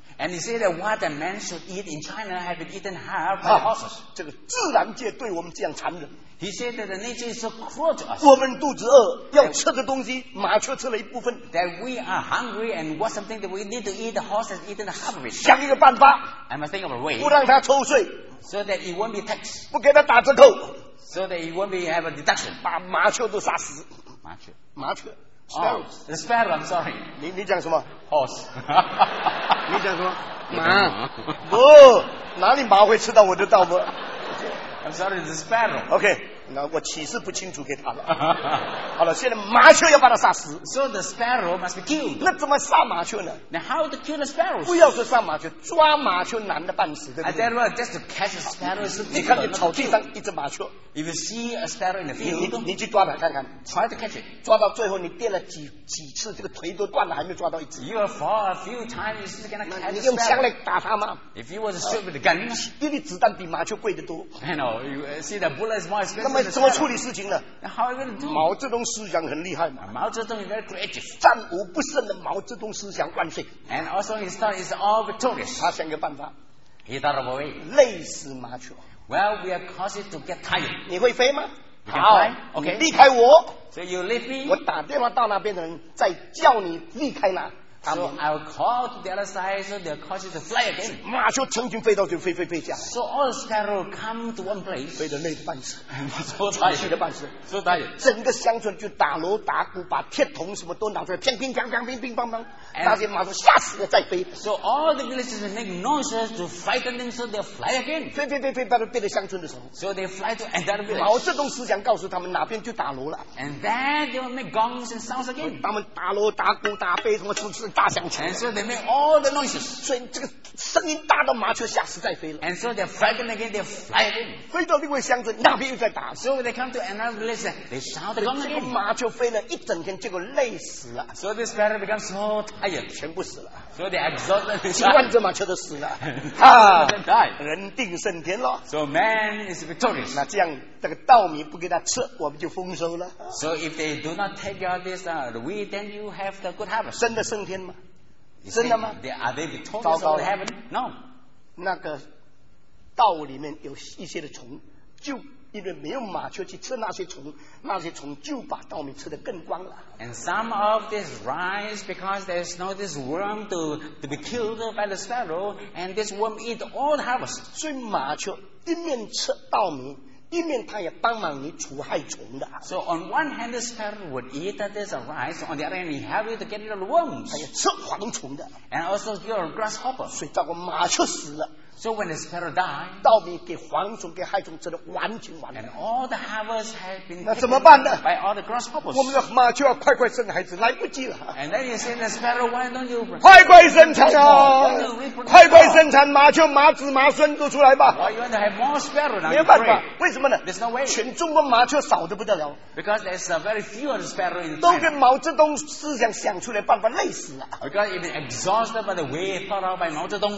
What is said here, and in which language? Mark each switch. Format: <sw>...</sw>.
<en>And he said that what a man should eat in China have been eaten half by horses.</en> <zh>这个自然界对我们这样残忍。</zh> <en>He said that the nature is so cruel to us.</en> <zh>我们肚子饿，要吃的东西，麻雀吃了一部分。</zh> <en>That we are hungry and want something that we need to eat, the horse has eaten half of it.</en> <zh>想一个办法。</zh> <en>I must think of a way.</en> <zh>不让他抽税。</zh> <en>So that it won't be taxed.</en> <zh>不给他打折扣。</zh> <en>So that it won't be have a deduction.</en> <zh>把麻雀都杀死。麻雀。麻雀。</zh> <en>Oh, the sparrow, I'm sorry.</en> <zh>你讲什么?</zh> <en>Horse.</en> <zh>你讲什么? 马。不, 哪里马会吃到我的稻子?</zh> <en>I'm sorry, the sparrow. Okay,</en> <zh>那我启示不清楚给他了。好了，现在麻雀要把他杀死。</zh> <en>So the sparrow must be killed.</en> <zh>那怎么杀麻雀呢？</zh> <en>Now how to kill the sparrows?</en> <zh>不要说杀麻雀，抓麻雀难的半死，对不对？</zh> <en>I tell you what, just to catch a sparrow is difficult.</en> <zh>你看你草地上一只麻雀。</zh> <en>If you see a sparrow in the field,</en> <zh>你去抓吧，看看。</zh> <en>Try to catch it.</en> <zh>抓到最后你跌了几次，这个腿都断了，还没抓到一只。</zh> <en>You will fall a few times, you're still gonna catch a sparrow.</en> <zh>你用枪来打它吗？</zh> <en>If you were to shoot with a gun,</en> <zh>因为子弹比麻雀贵得多。</zh> <en>I know, you see the bullet is more expensive.</en> <zh>怎么处理事情呢？</zh> <en>How are you going to do?</en> <zh>毛泽东思想很厉害嘛。</zh> <en>毛泽东 is very creative.</en> <zh>战无不胜的毛泽东思想万岁。</zh> <en>And also his thought is all victorious.</en> <zh>他想个办法。</zh> <en>He thought of a way.</en> <zh>累死麻雀。</zh> <en>Well, we are causing to get tired.</en> <zh>你会飞吗？</zh> <en>You can fly. Okay.</en> <zh>离开我。</zh> <en>So you leave me.</en> <zh>我打电话到那边的人再叫你离开那。</zh> <en>So I will call to the other side, so they'll cause you to fly again.</en> <zh>马车成群飞到就飞飞飞下来。</zh> <en>So all the sparrow come to one place.</en> <zh>飞得累得半死。</zh> <en>So tired.</en> <zh>累得半死。</zh> <en>So tired.</en> <zh>整个乡村就打锣打鼓，把铁桶什么都拿出来，乒乒乓乓，乒乒乓乓。那些马车吓死了再飞。</zh> <en>So all the villagers make noise to frighten them, so they'll fly again.</en> <zh>飞飞飞飞到别的乡村的时候。</zh> <en>So they fly to another village.</en> <zh>毛泽东思想告诉他们哪边就打锣了。</zh> <en>And then they will make gongs and sounds again.</en> <zh>他们打锣打鼓打杯什么出事。大响</zh> <en>，and so they make all the noises.</en> <zh>所以这个声音大到麻雀吓死再飞了。</zh> <en>And so they're frightened again. They're frightened.</en> <zh>飞到另外乡村，那边又在打。</zh> <en>So when they come to another village, they shout again.</en> <zh>这个麻雀飞了一整天，结果累死了。</zh> <en>So this sparrow becomes so tired.</en> <zh>全部死了。</zh> <en>So they're exhausted.</en> <zh>几万只麻雀都死了。哈哈。人定胜天了。</zh> <en>So man is victorious.</en> <zh>那这样，这个稻米不给他吃，我们就丰收了。</zh> <en>So if they do not take out this wheat, then you have the good harvest.</en> <zh>真的胜天吗？真的吗？</zh> <en>Are they victorious over heaven? No.</en> <zh>那个稻里面有一些的虫，就因为没有麻雀去吃那些虫，那些虫就把稻米吃得更光了。</zh> <en>And some of this rice, because there's no this worm to be killed by the sparrow, and this worm eat all the harvest.</en> <zh>所以麻雀一面吃稻米，一面它也帮忙你除害虫的。</zh> <en>So on one hand, the sparrow would eat that there's a rice. On the other hand, he help you to get rid of the worms.</en> <zh>它也吃蝗虫的。</zh> <en>And also your grasshopper.</en> <zh>所以照顾麻雀死了。</zh> <en>So when the sparrow died,</en> <zh>稻米给蝗虫给害虫吃的完全完了。</zh> <en>And all the harvest had been.</en> <zh>那怎么办呢？</zh> <en>By all the grasshoppers.</en> <zh>我们的麻雀要快快生孩子，来不及了。</zh> <en>And then you say the sparrow, why don't you?</en> <zh>快快生产啊！快快生产，麻雀麻子麻孙都出来吧。</zh> <en>Why you want to have more sparrow now?</en> <zh>没有办法，为什么？</zh> <en>There's no way.</en> <zh>全中国麻雀少得不得了。</zh> <en>Because there's a very few of the sparrow in China.</en> <zh>都跟毛泽东思想想出来办法累死了。</zh> <en>Because it's been exhausted by the way thought out by 毛泽东，</en>